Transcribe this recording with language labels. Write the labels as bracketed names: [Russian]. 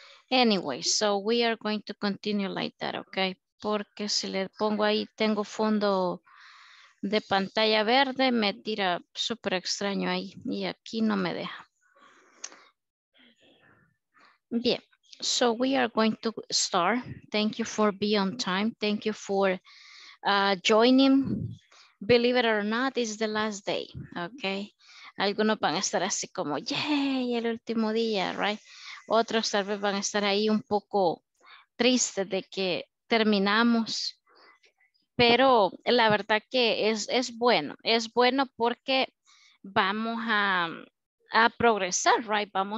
[English] Anyway, so we are going to continue like that, okay? [Spanish] Porque si le pongo ahí, tengo fondo... De pantalla verde me tira súper extraño ahí y aquí no me deja. [English] Bien, so we are going to start. Thank you for being on time. Thank you for joining. Believe it or not, it's the last day, okay? [Spanish] Algunos van a estar así como, yay, el último día, right? Otros tal vez van a estar ahí un poco tristes de que terminamos. Pero la verdad que es bueno porque vamos a progresar, right?